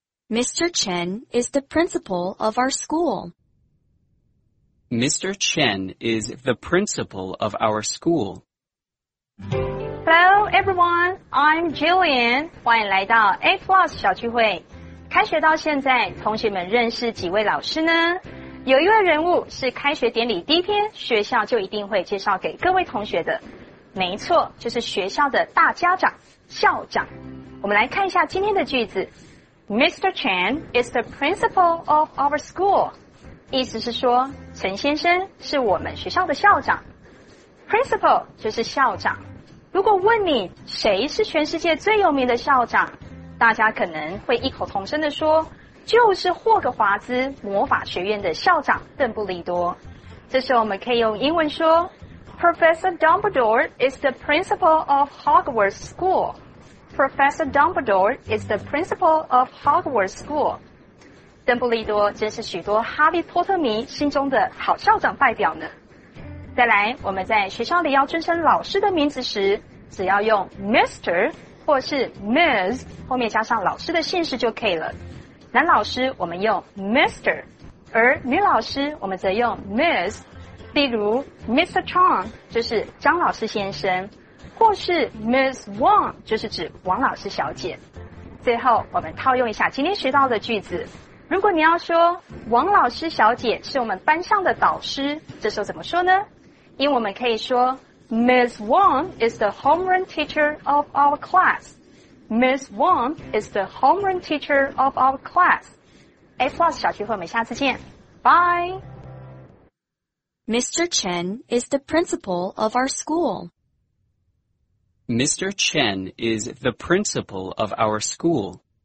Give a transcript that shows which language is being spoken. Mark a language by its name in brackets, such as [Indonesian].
[English] Mr. Chen is the principal of our school. Mr. Chen is the principal of our school. Hello, everyone. I'm Jillian. [Chinese] 欢迎来到 A Plus 小聚会。开学到现在，同学们认识几位老师呢？有一位人物是开学典礼第一天，学校就一定会介绍给各位同学的。没错，就是学校的大家长，校长。我们来看一下今天的句子。 [English] Mr. Chen is the principal of our school. [Chinese] 意思是说，陈先生是我们学校的校长。 Principal 就是校长。如果问你谁是全世界最有名的校长，大家可能会异口同声地说，就是霍格华兹魔法学院的校长邓布利多。这时候我们可以用英文说 [English] Professor Dumbledore is the principal of Hogwarts School. Professor Dumbledore is the principal of Hogwarts School. [Chinese] 邓布利多真是许多哈利波特迷心中的好校长代表呢。再来，我们在学校里要尊称老师的名字时，只要用 Mr. 或是 Ms. 后面加上老师的姓氏就可以了。男老师我们用 Mr. 而女老师我们则用 Ms. 例如 Mr. Chong 就是张老师先生，或是 Ms. Wang 就是指王老师小姐。最后我们套用一下今天学到的句子，如果你要说王老师小姐是我们班上的导师，这时候怎么说呢？因为我们可以说 Ms. [English] Wang is the homeroom teacher of our class. Ms. Wang is the homeroom teacher of our class. [Chinese] A Plus 小聚会我们下次见， Bye。 [English] Mr. Chen is the principal of our school. Mr. Chen is the principal of our school.